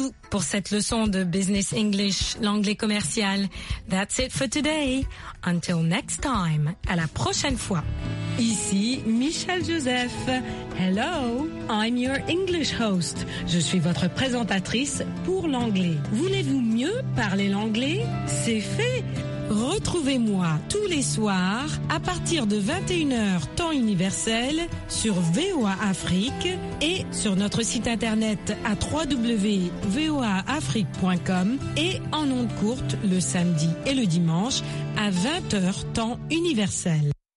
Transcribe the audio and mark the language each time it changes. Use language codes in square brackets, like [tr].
[fr] pour cette leçon de Business English, l'anglais commercial. [en] That's it for today. Until next time, [fr] à la prochaine fois. Ici Michel Joseph. [en] Hello, I'm your English host. [fr] Je suis votre présentatrice pour l'anglais. Voulez-vous mieux parler l'anglais? C'est fait. Retrouvez-moi tous les soirs à partir de 21h temps universel sur VOA Afrique et sur notre site internet à www.voaafrique.com et en ondes courtes le samedi et le dimanche à 20h temps universel.